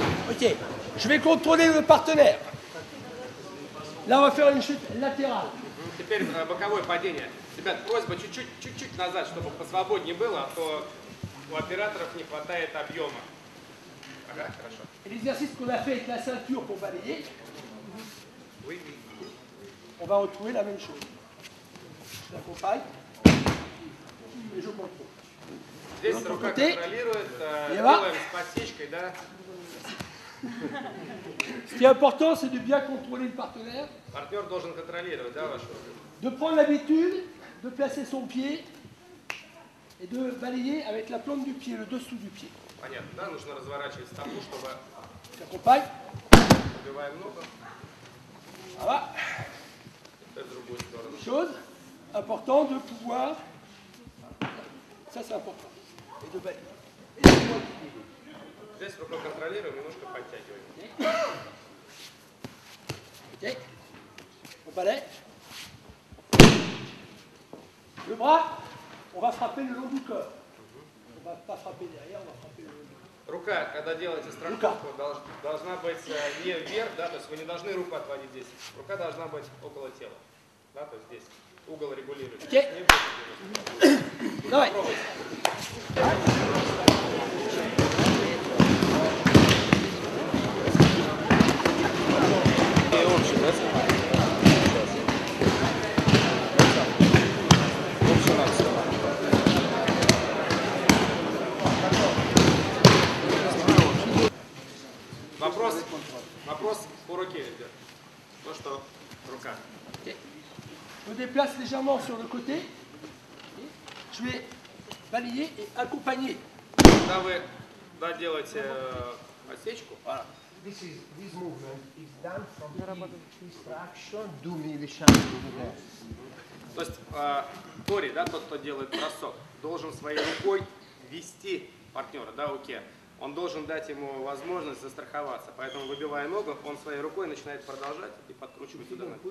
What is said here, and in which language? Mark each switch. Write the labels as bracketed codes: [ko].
[fr] Ok, je vais contrôler le partenaire. Là, on va faire une chute latérale. [ru] Теперь боковое падение. Ребят, просьба чуть-чуть назад, чтобы посвободнее было, а то у операторов не хватает объема. Ага, хорошо. [fr] L'exercice qu'on a fait avec la ceinture pour balayer. Oui. On va retrouver la même chose. Je l'accompagne. Et je contrôle. [ru] Здесь рука контролирует, делаем с подсечкой, да? [fr] Ce qui est important, c'est de bien contrôler le partenaire. [ru] Partner должен контролировать, да, вашего. [fr] De prendre l'habitude de placer son pied et de balayer avec la plante du pied, le dessous du pied. [ru] Понятно, да, нужно разворачивать стопу, чтобы. Закупай. Убиваем ногу. Voilà. Это другую сторону. [fr] Chose important de pouvoir. Ça, c'est important. Et de balayer. Et de prendre le pied. [ru] Здесь рукой контролируем, немножко подтягиваем. [fr] Ok, on balaye. Le bras, on va frapper le long du corps. On va pas frapper derrière, on va frapper le long du corps. [ru] Рука, когда делаете страховку, должна быть не вверх, да, то есть вы не должны руку отводить здесь. Рука должна быть около тела, да, то есть здесь угол регулируется. Ok. Давай. Вопрос по руке, ребят. Ну что, рука. [fr] Je déplace légèrement sur le côté. Je vais balayer et accompagner. [ru] Когда вы делаете отсечку, [en] this movement is done from his fraction do militia. [ru] То есть Тори, да, тот, кто делает бросок, должен своей рукой вести партнера, да, окей. Он должен дать ему возможность застраховаться. Поэтому выбивая ногу, он своей рукой начинает продолжать и подкручивать туда.